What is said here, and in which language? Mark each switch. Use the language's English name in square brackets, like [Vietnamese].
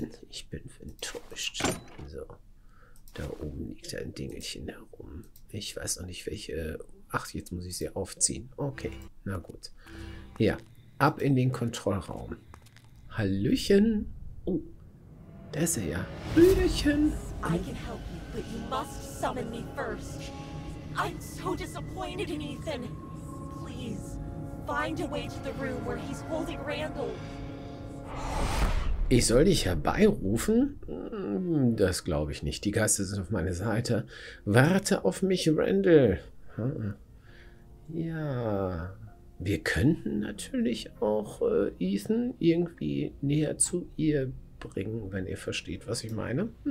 [German] Ich bin enttäuscht. So, da oben liegt ein Dingelchen herum. Ich weiß noch nicht, welche. Ach, jetzt muss ich sie aufziehen. Okay, na gut. Ja, ab in den Kontrollraum. Hallöchen. Oh, da ist er ja. Hallöchen. [English] I can help you, but you must summon me first. I'm so disappointed in Ethan. Please, find a way to the room where he's holding Randall. [German] Ich soll dich herbeirufen? Das glaube ich nicht. Die Geister sind auf meiner Seite. Warte auf mich, Randall. Ja, wir könnten natürlich auch Ethan irgendwie näher zu ihr bringen, wenn ihr versteht, was ich meine.